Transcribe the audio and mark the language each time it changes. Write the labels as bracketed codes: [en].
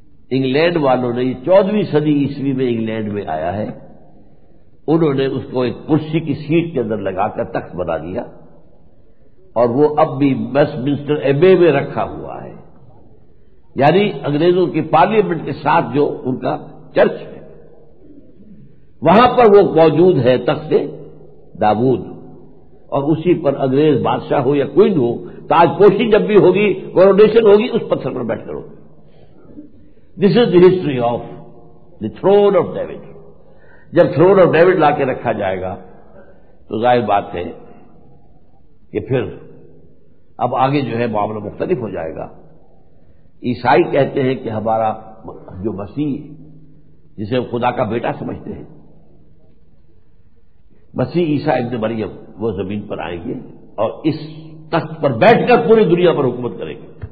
[ur] England والوں نے 14 صدی عیسوی میں انگلینڈ میں آیا ہے, انہوں نے اس کو ایک کرسی کی سیٹ کے اندر لگا کر تخت بنا دیا, اور وہ اب بھی ویسٹ منسٹر ایبے میں رکھا ہوا ہے, یعنی انگریزوں کی پارلیمنٹ کے ساتھ جو ان کا چرچ ہے وہاں پر وہ موجود ہے تخت داؤد, اور اسی پر انگریز بادشاہ ہو یا کوئن ہو, تاج پوشی جب بھی ہوگی, کورونیشن ہوگی, اس پتھر پر بیٹھ کر ہوگی. [en] This is the history of the throne of David. [ur] جب تھرون آف ڈیوڈ لا کے رکھا جائے گا تو ظاہر بات ہے کہ پھر اب آگے جو ہے معاملہ مختلف ہو جائے گا. عیسائی کہتے ہیں کہ ہمارا جو مسیح جسے وہ خدا کا بیٹا سمجھتے ہیں، مسیح عیسیٰ ابن مریم، وہ زمین پر آئیں گے اور اس تخت پر بیٹھ کر پوری دنیا پر حکومت کریں گے.